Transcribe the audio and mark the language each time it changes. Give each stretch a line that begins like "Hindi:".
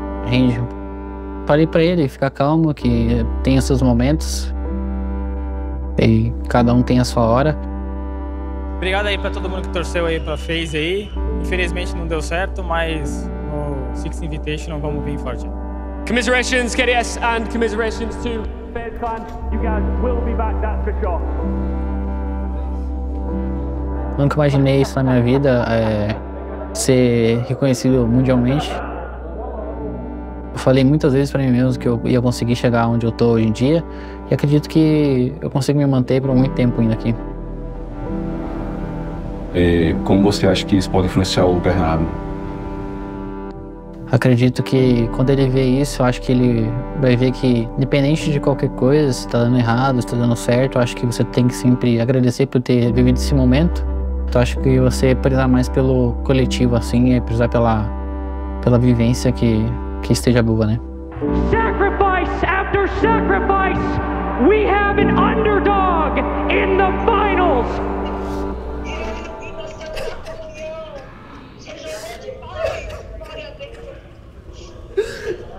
Portuguese: Angel, falei pra ele ficar calmo, que tem os seus momentos. E cada um tem a sua hora. Obrigado aí pra todo mundo que torceu aí pra FaZe aí. Infelizmente não deu certo, mas no Six Invitational vamos vir forte.
English: Commiserations, KDS, and commiserations to FaZe Clan. You guys will be back, that's for sure.
Portuguese: Nunca imaginei isso na minha vida, ser reconhecido mundialmente. Eu falei muitas vezes pra mim mesmo que eu ia conseguir chegar onde eu tô hoje em dia e acredito que eu consigo me manter por muito tempo ainda aqui. E como você acha que isso pode influenciar o Bernardo? Acredito que quando ele vê isso, eu acho que ele vai ver que, independente de qualquer coisa, se tá dando errado, se tá dando certo, eu acho que você tem que sempre agradecer por ter vivido esse momento. Eu acho que você precisa mais pelo coletivo, assim, e precisar pela vivência que esteja boa, né?
English: Sacrifice after sacrifice, we have an underdog in the finals! Yeah,